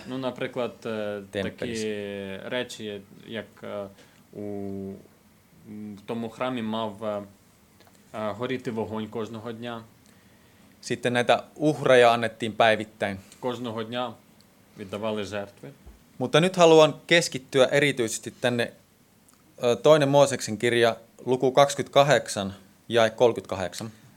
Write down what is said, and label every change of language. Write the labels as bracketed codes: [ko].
[uk] No, наприклад, такі речі, як в тому храмі мав горіти вогонь кожного дня. [fi] Sitten näitä uhreja annettiin päivittäin. [uk] Кожного дня віддавали жертви. [fi] Mutta nyt haluan keskittyä erityisesti tänne toinen Mooseksen kirja luku 28 ja 38.